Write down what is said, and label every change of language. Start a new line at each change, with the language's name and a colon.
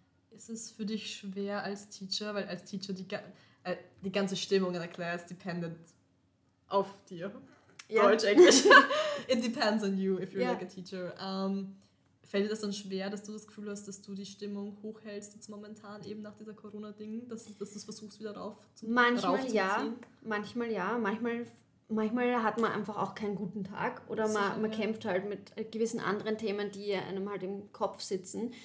German: Ist es für dich schwer als Teacher, weil als Teacher die ganze Stimmung in der Class dependent auf dir? Yeah. Deutsch, Englisch.
English: It depends on you, if you're like a teacher.
German: Fällt dir das dann schwer, dass du das Gefühl hast, dass du die Stimmung hochhältst jetzt momentan eben nach dieser Corona-Ding, dass du es versuchst wieder rauf zu ziehen? Manchmal hat man einfach auch keinen guten Tag oder man kämpft halt mit gewissen anderen Themen, die einem halt im Kopf sitzen.